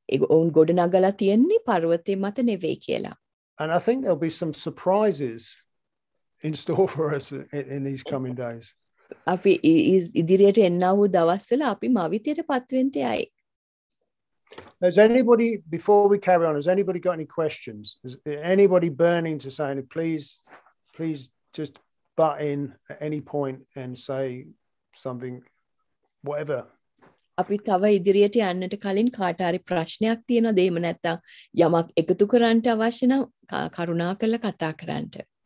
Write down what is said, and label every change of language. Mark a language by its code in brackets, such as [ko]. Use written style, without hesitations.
[si] ඔවුන් ගොඩනගලා තියෙන්නේ පර්වතේ මත නෙවෙයි කියලා. [en] And I think there'll be some surprises in store for us in these coming days. [si] අපි ඉදිරියට එන්නව දවස්වල අපි මවිතයට පත්වෙන්න යයි. [en] Has anybody, before we carry on, has anybody got any questions? Is anybody burning to say, please just butt in at any point and say something, whatever? [si] අපි තව ඉදිරියට යන්නට කලින් කාට හරි ප්‍රශ්නයක් තියෙනවද එහෙම නැත්නම් යමක් එකතු කරන්න අවශ්‍ය නම් කරුණාකරලා කතා කරන්න.